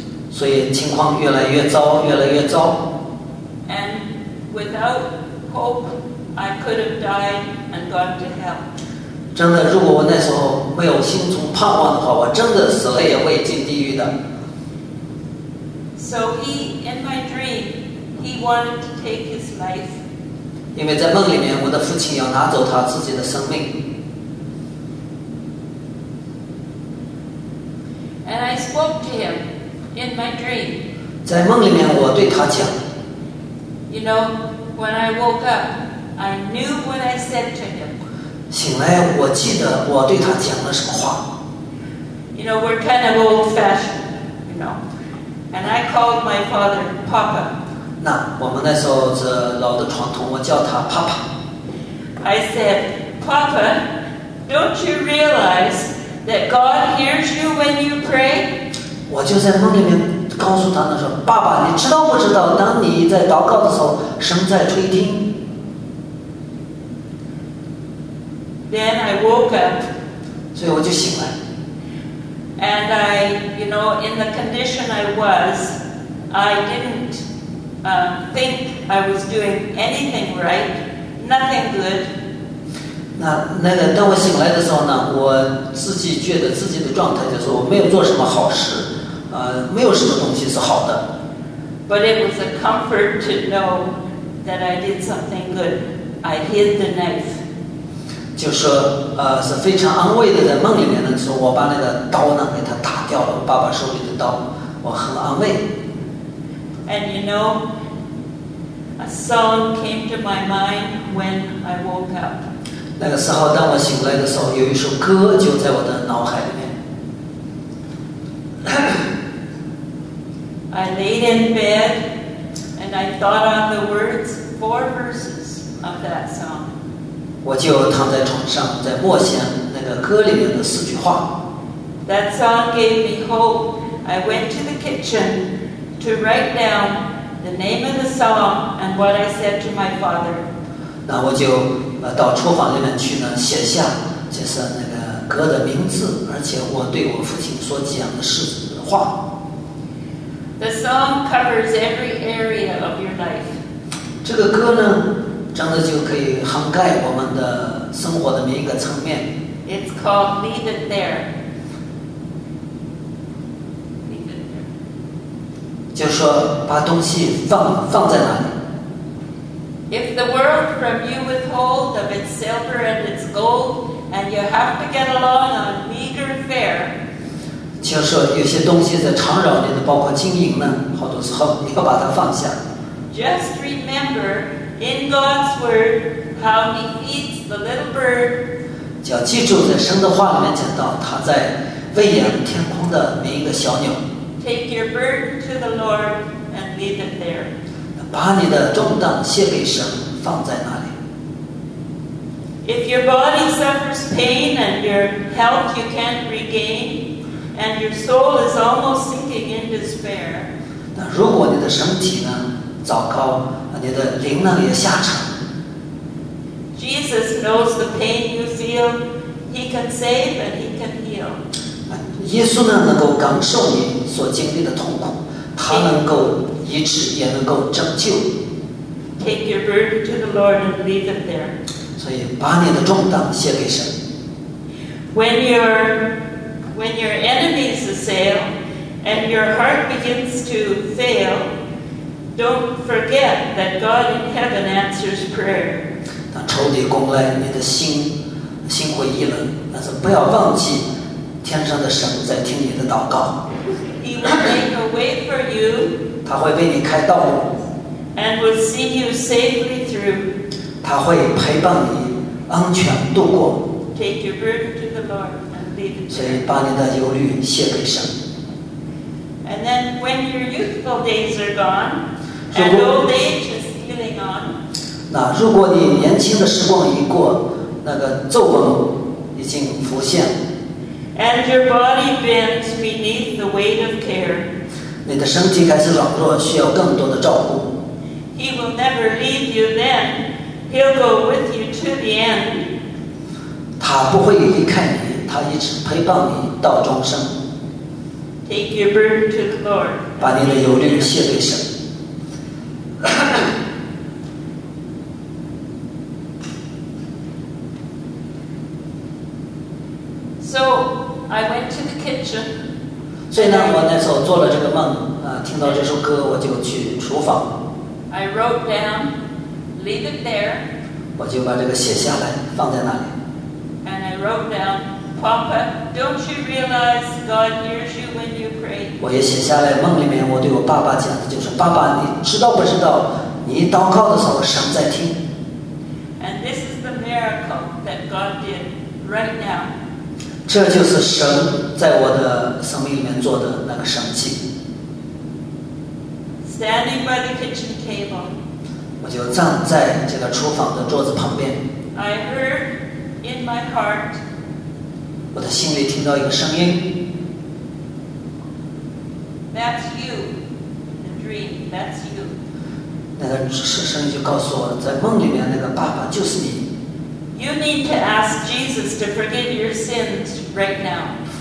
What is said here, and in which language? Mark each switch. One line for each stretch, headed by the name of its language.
Chinese: 所以情况越来越糟，越来越糟。
English: And without hope, I could have died and gone to hell.
Chinese: 真的，如果我那时候没有心存盼望的话，我真的死了也会进地狱的。
English: So he, in my dream, he wanted to take his life.
Chinese: 因为在梦里面，我的父亲要拿走他自己的生命。
English: And I spoke to him in my dream.
Chinese: 在梦里面，我对他讲。
English: You know, when I woke up, I knew what I said to him.
Chinese: 醒来，我记得我对他讲了什么话。
English: You know, we're kind of old-fashioned, you know. And I called my father Papa.
Chinese: 那我们那时候这老的传统，我叫他 Papa。
English: I said, Papa, don't you realize that God hears you when you pray?
Chinese: 我就在梦里面告诉他的时候，爸爸，你知道不知道，当你在祷告的时候，神在垂听。
English: Then I woke up.
Chinese: 所以我就醒来。
English: And I, you know, in the condition I was, I didn't think I was doing anything right, nothing good.
Chinese: 那个，当我醒来的时候呢，我自己觉得自己的状态就是我没有做什么好事，没有什么东西是好的。
English: But it was a comfort to know that I did something good. I hid the knife.
Chinese: 就说是非常安慰的，在梦里面呢，说我把那个刀呢给他打掉了，爸爸手里的刀，我很安慰。
English: And you know, a song came to my mind when I woke up.
Chinese: 那个时候，当我醒来的时候，有一首歌就在我的脑海里面。
English: I laid in bed and I thought on the words, four verses of that song.
Chinese: 我就躺在床上，在默想那个歌里面的四句话。
English: That song gave me hope. I went to the kitchen to write down the name of the song and what I said to my father.
Chinese: 那我就到厨房里面去呢，写下就是那个歌的名字，而且我对我父亲所讲的是话。
English: The song covers every area of your life.
Chinese: 这个歌呢，真的就可以涵盖我们的生活的每一个层面。
English: It's called Leave It There.
Chinese: 就是说把东西放在哪里。
English: If the world from you withhold of its silver and its gold, and you have to get along on meager fare.
Chinese: 就是说有些东西在缠绕你的，包括金银呢，好多时候你要把它放下。
English: Just remember. In God's word, how He feeds the little bird.
Chinese: 要记住，在神的话里面讲到，他在喂养天空的每一个小鸟。
English: Take your burden to the Lord and leave it there.
Chinese: 把你的重担卸给神，放在那里。
English: If your body suffers pain and your health you can't regain, and your soul is almost sinking in despair.
Chinese: 那如果你的身体呢？糟糕，你的灵呢也下沉。
English: Jesus knows the pain you feel. He can save and He can heal.
Chinese: 耶稣呢能够感受你所经历的痛苦，他能够医治，也能够拯救。
English: Take your burden to the Lord and leave it there.
Chinese: 所以把你的重担卸给神。
English: When your enemies assail and your heart begins to fail. Don't forget that God in heaven answers prayer.
Chinese: 当仇敌攻来，你的心灰意冷，但是不要忘记，天上的神在听你的祷告。
English: He will make a way for you.
Chinese: 他会为你开道路。
English: And will see you safely through.
Chinese: 他会陪伴你安全度过。
English: Take your burden to the Lord and leave it.
Chinese: 所以把你的忧虑卸给神。
English: And then when your youthful days are gone. And old age is stealing on.
Chinese: 那如果你年轻的时光已过，那个皱纹已经浮现。
English: And your body bends beneath the weight of care.
Chinese: 你的身体开始软弱，需要更多的照顾。
English: He will never leave you then. He'll go with you to the end.
Chinese: 他不会离开你，他一直陪伴你到终生。
English: Take your burden to the Lord.
Chinese: 把你的忧虑卸给神。
English: So I went to the kitchen.
Chinese: 所以呢，我那时候做了这个梦啊，听到这首歌，我就去厨房。
English: I wrote down, leave it there.
Chinese: 我就把这个写下来，放在那里。
English: And I wrote down, Papa, don't you realize God hears you when you pray?
Chinese: 我也写下来，梦里面我对我爸爸讲的就是，爸爸，你知道不知道，你祷告的时候神在听。
English: And this is the miracle that God did right now.
Chinese: 这就是神在我的生命里面做的那个神迹。
English: Standing by the kitchen table.
Chinese: 我就站在这个厨房的桌子旁边。
English: I heard in my heart.
Chinese: 我的心里听到一个声音。
English: That's you, the dream. That's you.
Chinese: 那个声音就告诉我，在梦里面那个爸爸就是你。
English: You need to ask Jesus to forgive your sins right now.